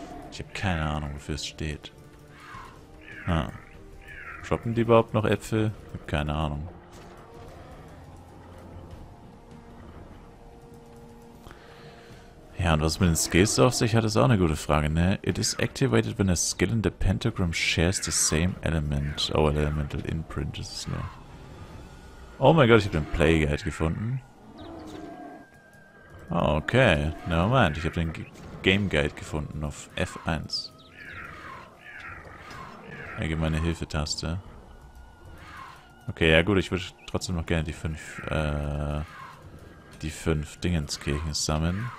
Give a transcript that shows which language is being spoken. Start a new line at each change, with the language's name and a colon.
German: Ich habe keine Ahnung, wofür es steht. Droppen die überhaupt noch Äpfel? Ich habe keine Ahnung. Ja, und was mit den Skills auf sich hat, ist auch eine gute Frage, ne?
English: It is activated when a skill in the Pentagram shares the same element.
German: Oh, Elemental Imprint ist es nur. Oh mein Gott, ich habe den Play Guide gefunden. Oh, okay. Nevermind, ich habe den G Game Guide gefunden auf F1. Allgemeine Hilfetaste. Okay, ja gut, ich würde trotzdem noch gerne die fünf Dingenskirchen sammeln.